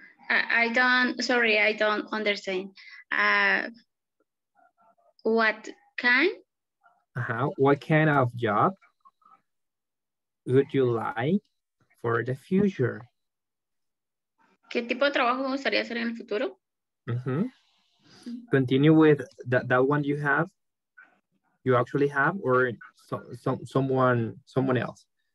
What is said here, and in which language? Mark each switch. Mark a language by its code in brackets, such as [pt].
[en] I don't understand. What kind? Uh-huh. What kind of job would you like for the future? [es] ¿Qué tipo de trabajo me gustaría hacer en el futuro? Mm-hmm. [en] Continue with that one you have, you actually have, or someone else?